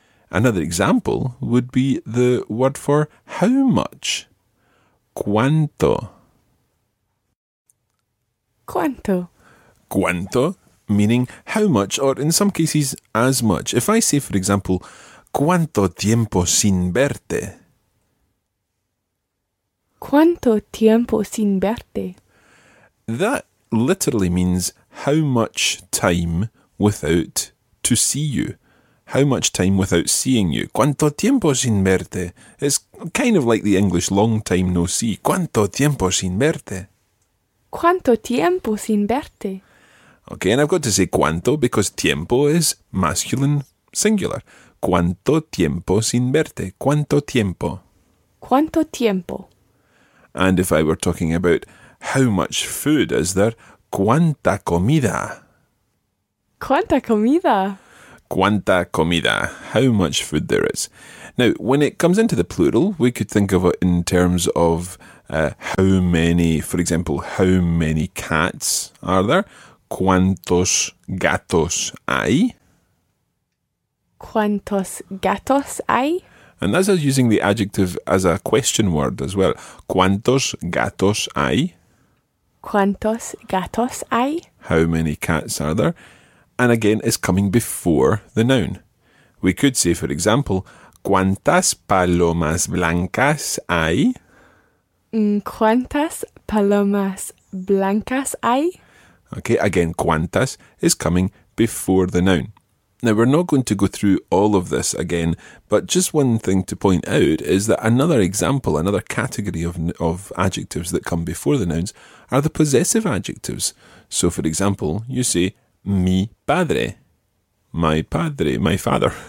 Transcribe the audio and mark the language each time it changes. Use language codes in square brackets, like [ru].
[en] Another example would be the word for how much. [es] ¿Cuánto? ¿Cuánto? ¿Cuánto? [en] Meaning how much, or in some cases, as much. If I say, for example, [es] ¿cuánto tiempo sin verte? ¿Cuánto tiempo sin verte? [en] That literally means how much time without to see you. How much time without seeing you. [es] ¿Cuánto tiempo sin verte? [en] It's kind of like the English long time no see. [es] ¿Cuánto tiempo sin verte? ¿Cuánto tiempo sin verte? [en] Okay, and I've got to say cuánto because tiempo is masculine singular. [es] ¿Cuánto tiempo sin verte? ¿Cuánto tiempo? ¿Cuánto tiempo? [en] And if I were talking about how much food is there, [es] ¿cuánta comida? ¿Cuánta comida? ¿Cuánta comida? [en] How much food there is. Now, when it comes into the plural, we could think of it in terms of how many, for example, how many cats are there? [es] ¿Cuántos gatos hay? ¿Cuántos gatos hay? [en] And that's us using the adjective as a question word as well. [es] ¿Cuántos gatos hay? ¿Cuántos gatos hay? [en] How many cats are there? And again, it's coming before the noun. We could say, for example, [es] ¿cuántas palomas blancas hay? ¿Cuántas palomas blancas hay? [en] Okay, again, ¿cuántas is coming before the noun? Now, we're not going to go through all of this again, but just one thing to point out is that another example, another category of adjectives that come before the nouns are the possessive adjectives. So, for example, you say, [es] mi padre, [en] my padre, my father.